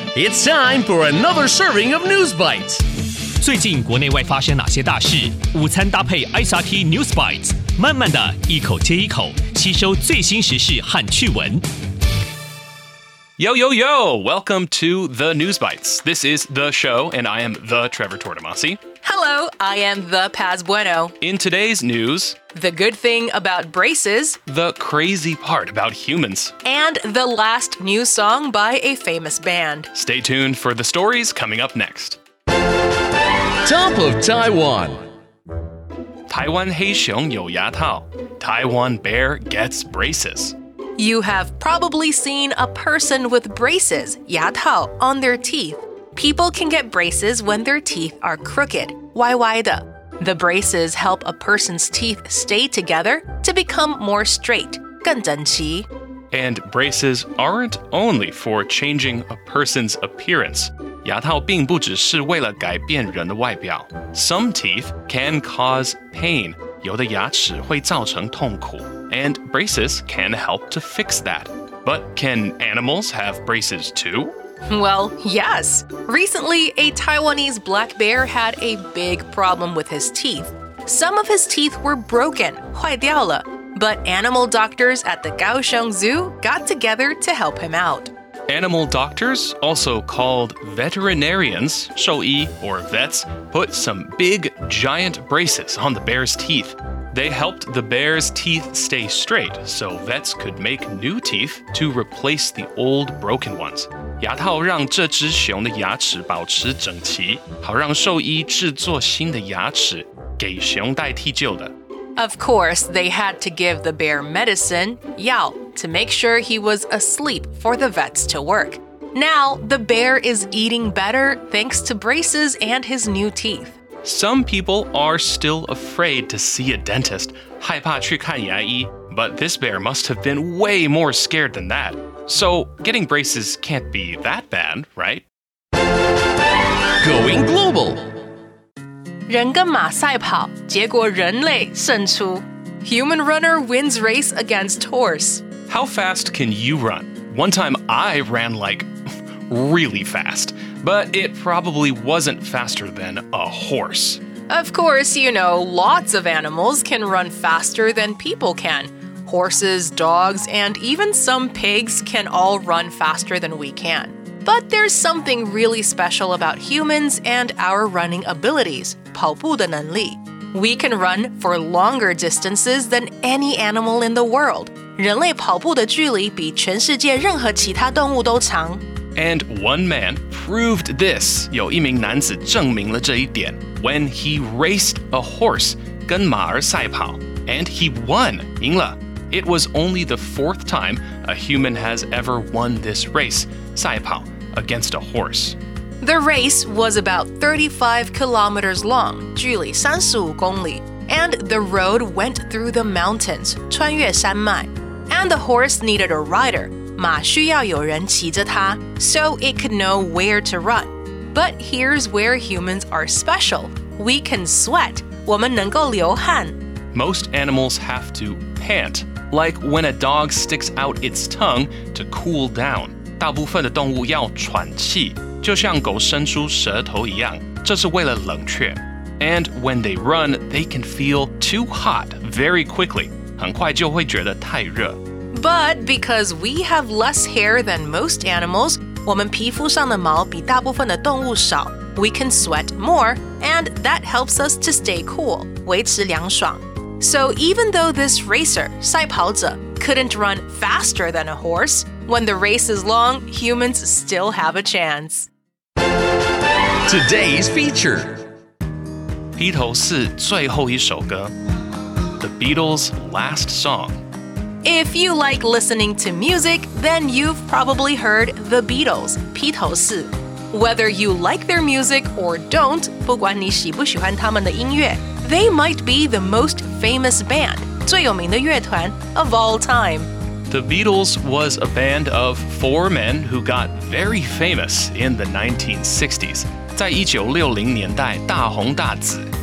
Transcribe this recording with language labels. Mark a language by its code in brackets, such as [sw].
[en] It's time for another serving of News Bites. [zh] 最近国内外发生哪些大事？午餐搭配 ISRT News Bites， 慢慢的一口接一口，吸收最新时事和趣闻。 [en] Yo, yo, yo! Welcome to the News Bites. This is the show, and I am the Trevor Tortomasi. Hello, I am the Paz Bueno. In today's news, the good thing about braces, the crazy part about humans, and the last new song by a famous band. Stay tuned for the stories coming up next. Top of Taiwan. [zh] 台灣黑熊有牙套 [en] Taiwan Bear Gets Braces. You have probably seen a person with braces, 牙套, on their teeth. People can get braces when their teeth are crooked, 歪歪的. The braces help a person's teeth stay together to become more straight, [zh] 更整齐. [en] And braces aren't only for changing a person's appearance. [zh] 牙套并不只是为了改变人的外表. [en] Some teeth can cause pain, [zh] 有的牙齿会造成痛苦. [en] And braces can help to fix that. But can animals have braces too? Well, yes. Recently, a Taiwanese black bear had a big problem with his teeth. Some of his teeth were broken, [zh] 坏掉了, [en] but animal doctors at the Kaohsiung Zoo got together to help him out. Animal doctors, also called veterinarians, 兽医 or vets, put some big, giant braces on the bear's teeth. They helped the bear's teeth stay straight so vets could make new teeth to replace the old broken ones. [zh] 牙套让这只熊的牙齿保持整齐，好让兽医制作新的牙齿给熊代替旧的。 [en] Of course, they had to give the bear medicine, 药, to make sure he was asleep for the vets to work. Now, the bear is eating better thanks to braces and his new teeth. Some people are still afraid to see a dentist, [zh] 害怕去看牙医, [en] but this bear must have been way more scared than that. So, getting braces can't be that bad, right? Going global! [zh] 人跟马赛跑,结果人类胜出。 [en] Human runner wins race against horse. How fast can you run? One time I ran like, really fast. But it probably wasn't faster than a horse. Of course, you know, lots of animals can run faster than people can. Horses, dogs, and even some pigs can all run faster than we can. But there's something really special about humans and our running abilities, [zh] 跑步的能力. [en] We can run for longer distances than any animal in the world. [zh] 人类跑步的距离比全世界任何其他动物都长。 [en] And one man proved this, [zh] 有一名男子证明了这一点, [en] when he raced a horse, [zh] 跟马儿赛跑, [en] and he won, [zh] 赢了. [en] It was only the fourth time a human has ever won this race, 赛跑, against a horse. The race was about 35 kilometers long, [zh] 距离三十五公里, [en] and the road went through the mountains, [zh] 穿越山脉, [en] and the horse needed a rider, [zh] 马需要有人骑着它 [en] so it could know where to run. But here's where humans are special. We can sweat. [zh] 我们能够流汗。 [en] Most animals have to pant, like when a dog sticks out its tongue to cool down. [zh] 大部分的动物要喘气，就像狗伸出舌头一样，这是为了冷却。 [en] And when they run, they can feel too hot very quickly. [zh] 很快就会觉得太热。 [en] But because we have less hair than most animals, [zh] 我们皮肤上的毛比大部分的动物少, [en] we can sweat more, and that helps us to stay cool, [zh] 维持凉爽. [en] So even though this racer, 赛跑者, couldn't run faster than a horse, when the race is long, humans still have a chance. Today's feature. [zh] Beatles 是最后一首歌, [en] The Beatles' Last Song. If you like listening to music, then you've probably heard The Beatles, 披头士. Whether you like their music or don't, [zh] 不管你喜不喜欢他们的音乐, [en] they might be the most famous band, [zh] 最有名的乐团, [en] of all time. The Beatles was a band of four men who got very famous in the 1960s. [zh] 在一九六零年代大红大紫.